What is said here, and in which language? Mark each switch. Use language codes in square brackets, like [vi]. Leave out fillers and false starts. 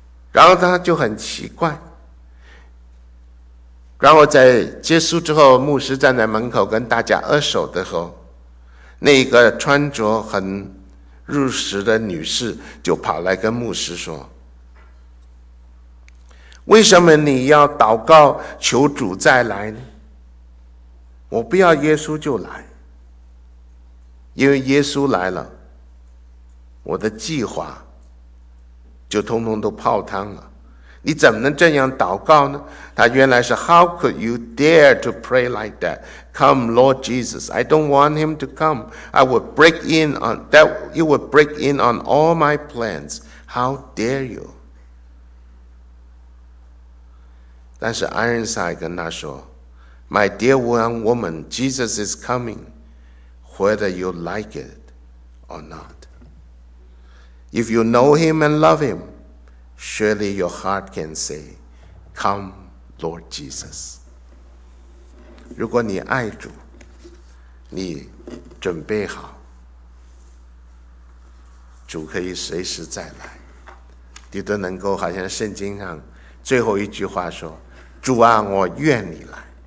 [zh] 然后他就很奇怪，然后在结束之后，牧师站在门口跟大家握手的时候，那个穿着很入时的女士就跑来跟牧师说，为什么你要祷告求主再来呢？我不要耶稣就来，因为耶稣来了，我的计划就通通都泡汤了，你怎么能这样祷告呢？他原来是 [en] How could you dare to pray like that? Come Lord Jesus, I don't want him to come. I would break in on that. You would break in on all my plans. How dare you? [zh] 但是 Ironside 跟他说， [en] My dear young woman, Jesus is coming, whether you like it or not. If you know him and love him, surely your heart can say, Come, Lord Jesus. [zh] 如果你爱主，你准备好，主可以随时再来。你都能够好像圣经上最后一句话说，主啊，我愿你来。